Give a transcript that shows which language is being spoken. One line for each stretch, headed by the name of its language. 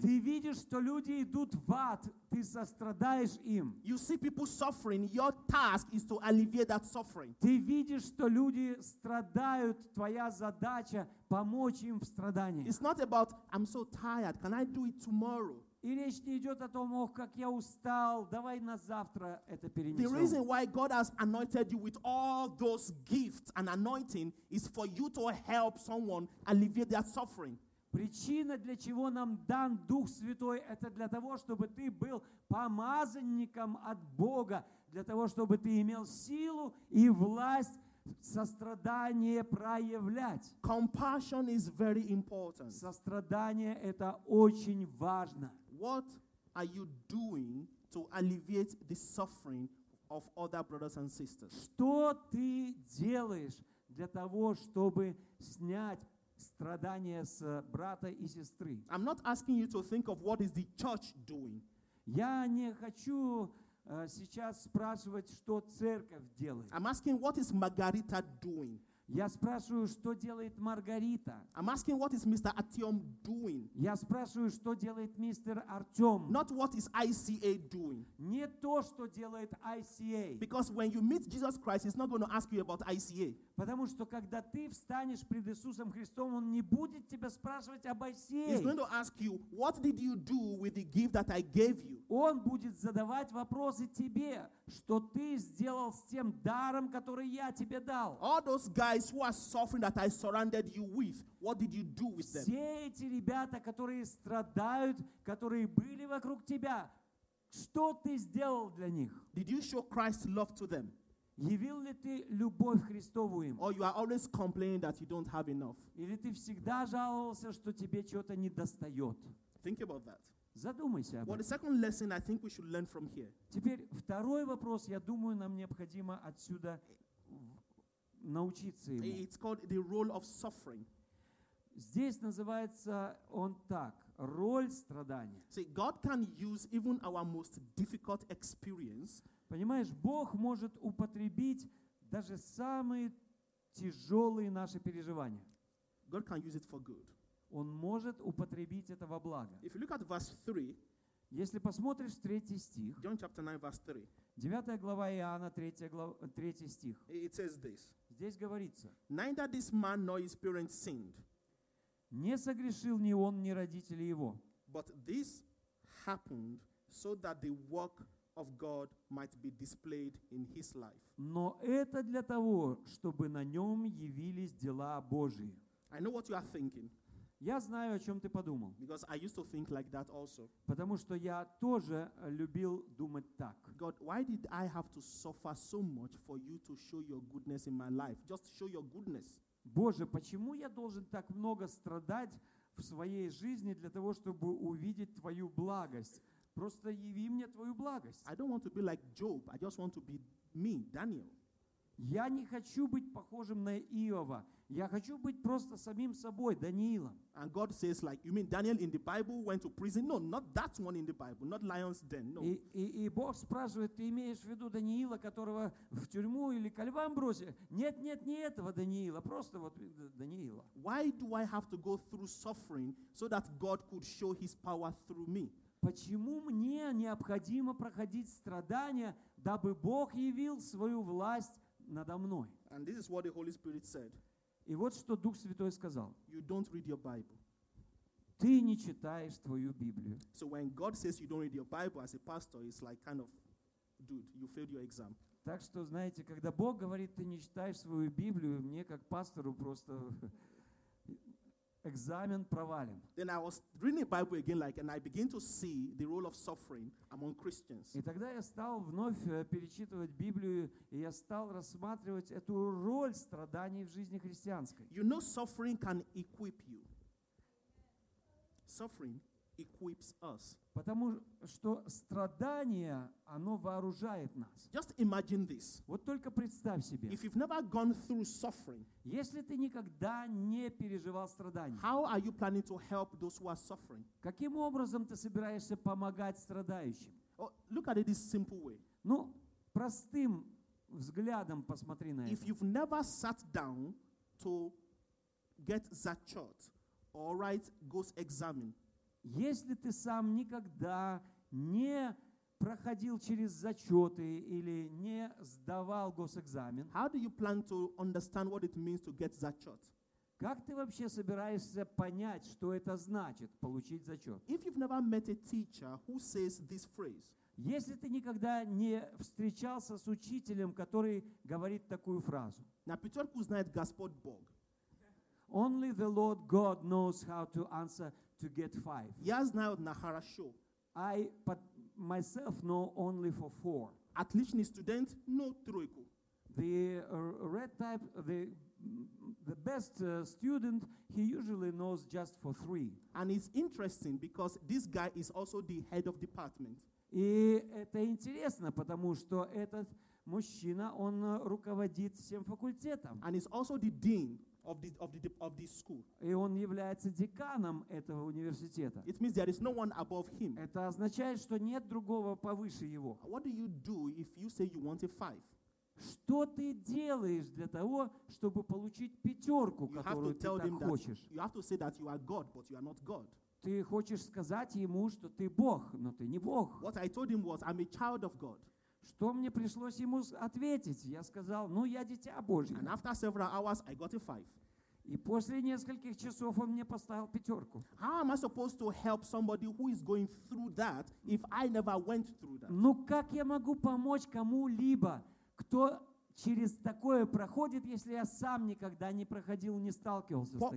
Russian: Ты видишь, что люди идут в ад, ты сострадаешь им.
English: You see people suffering, your task is to alleviate that suffering.
Russian: Ты видишь, что люди страдают, твоя задача помочь им в страдании.
English: It's not about I'm so tired. Can I do it tomorrow?
Russian: И речь не идет о том, ох, как я устал. Давай на завтра это перенесем.
English: The reason why God has anointed you with all those gifts and anointing is for you to help someone alleviate their suffering.
Russian: Причина, для чего нам дан Дух Святой, это для того, чтобы ты был помазанником от Бога, для того, чтобы ты имел силу и власть сострадание проявлять.
English: Compassion is very important.
Russian: Сострадание — это очень важно.
English: What are you doing to alleviate the suffering of other brothers and sisters?
Russian: Что ты делаешь для того, чтобы снять страдания с брата и сестры.
English: I'm not asking you to think of what is the church doing.
Russian: Я не хочу сейчас спрашивать, что церковь делает.
English: I'm asking what is Margarita doing.
Russian: Я спрашиваю, что делает Маргарита.
English: I'm asking what is Mr. Artyom doing.
Russian: Я спрашиваю, что делает мистер Артем.
English: Not what is ICA doing.
Russian: Не то, что делает ICA.
English: Because when you meet Jesus Christ, he's not going to ask you about ICA.
Russian: Потому что когда ты встанешь пред Иисусом Христом, он не будет тебя спрашивать об ICA.
English: He's going to ask you, what did you do with the gift that I gave you?
Russian: Он будет задавать вопросы тебе, что ты сделал с тем даром, который я тебе дал.
English: All those guys who are suffering that I surrounded you with, what did you do with them?
Russian: Все эти ребята, которые страдают, которые были вокруг тебя, что ты сделал для них?
English: Did you show Christ's love to them?
Russian: Явил ли ты любовь Христову им?
English: Or you are always complaining that you don't have enough?
Russian: Или ты всегда жаловался, что тебе чего-то недостает?
English: Think about that.
Russian: Задумайся об этом.
English: Well, the second lesson I think we should learn from here.
Russian: Теперь второй вопрос, я думаю, нам необходимо отсюда научиться ему.
English: It's called the role of suffering.
Russian: Здесь называется он так, роль страдания.
English: See, God can use even our most difficult experience.
Russian: Понимаешь, Бог может употребить даже самые тяжелые наши переживания.
English: God can use it for good.
Russian: Он может употребить это во благо.
English: If you look at verse 3,
Russian: если посмотришь третий стих,
English: John chapter 9, verse 3,
Russian: 9 глава Иоанна, 3 стих,
English: it says this,
Russian: здесь говорится,
English: neither this man nor his parents sinned,
Russian: не согрешил ни он, ни родители его,
English: but this happened so that the work of God might be displayed in his life.
Russian: Но это для того, чтобы на нем явились дела Божьи.
English: I know what you are thinking.
Russian: Я знаю, о чем ты подумал.
English: Because I used to think like that also.
Russian: Потому что я тоже любил думать так.
English: God, why did I have to suffer so much for you to show your goodness in my life? Just show your goodness.
Russian: Боже, почему я должен так много страдать в своей жизни для того, чтобы увидеть твою благость? Просто яви мне твою благость.
English: I don't want to be like Job. I just want to be me, Daniel.
Russian: Я не хочу быть похожим на Иова. Я хочу быть просто самим собой, Даниилом.
English: And God says, like, you mean Daniel in the Bible went to prison? No, not that one in the Bible, not lion's den. No.
Russian: И Бог спрашивает, ты имеешь в виду Даниила, которого в тюрьму или ко львам бросили? Нет, нет, не этого Даниила, просто вот Даниила.
English: Why do I have to go through suffering so that God could show His power through me?
Russian: Почему мне необходимо проходить страдания, дабы Бог явил свою власть надо мной?
English: And this is what the Holy Spirit said.
Russian: И вот что Дух Святой сказал.
English: You don't read your Bible.
Russian: Ты не читаешь твою Библию.
English: So when God says you don't read your Bible as a pastor, it's like kind of, dude, you failed your exam.
Russian: Так что, знаете, когда Бог говорит, ты не читаешь свою Библию, мне как пастору просто экзамен провален.
English: Then I was reading the Bible again, like, and I begin to see the role of suffering among Christians.
Russian: И тогда я стал вновь перечитывать Библию, и я стал рассматривать эту роль страданий в жизни христианской.
English: You know, suffering can equip you. Suffering equips us.
Russian: Потому что страдание, оно вооружает нас.
English: Just imagine this.
Russian: Вот только представь себе.
English: If you've never gone through suffering,
Russian: если ты никогда не переживал страдания,
English: how are you planning to help those who are suffering?
Russian: Каким образом ты собираешься помогать страдающим?
English: Oh, look at it this simple way.
Russian: Ну, простым взглядом посмотри на это.
English: If you've never sat down to get zakat or write goes examine.
Russian: Если ты сам никогда не проходил через зачеты или не сдавал госэкзамен,
English: how do you plan to understand what it means to get зачет?
Russian: Как ты вообще собираешься понять, что это значит получить зачет?
English: If you've never met a teacher who says this phrase,
Russian: если ты никогда не встречался с учителем, который говорит такую фразу, на пятерку знает Господь Бог.
English: Only the Lord God knows how to answer to get five.
Russian: Я знаю на хорошо.
English: I but myself know only for four.
Russian: Отличный студент, но тройку.
English: The red type, the best student, he usually knows just for three. And it's interesting because this guy is also the head of department.
Russian: И это интересно, потому что этот мужчина, он руководит всем факультетом.
English: And he's also the dean. of the school.
Russian: И он является деканом этого университета.
English: It means there is no one above him.
Russian: Это означает, что нет другого повыше его.
English: What do you do if you say you want a five?
Russian: Что ты делаешь для того, чтобы получить пятерку, которую ты так хочешь?
English: You have to say that you are God, but you are not God.
Russian: Ты хочешь сказать ему, что ты Бог, но ты не Бог.
English: What I told him was, I'm a child of God.
Russian: Что мне пришлось ему ответить? Я сказал, ну, я дитя Божье.
English: And after several hours, I got a five.
Russian: И после нескольких часов он мне поставил пятерку.
English: How am I supposed to help somebody who is going through that if I never went through that?
Russian: Ну, как я могу помочь кому-либо, кто через такое проходит, если я сам никогда не проходил, не сталкивался с таким?